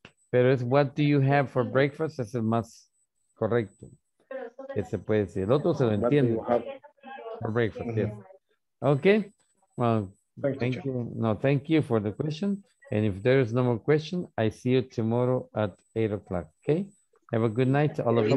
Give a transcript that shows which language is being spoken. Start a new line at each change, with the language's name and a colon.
Spanish: Pero es,
English: what do you have for breakfast?
Spanish: Es el más correcto que se puede decir. El otro se lo entiende.
English: For breakfast, yes. Okay. Well, thank you. No, thank you for the question. And if there is no more question, I see you tomorrow at 8 o'clock. Okay? Have a good night, all of you.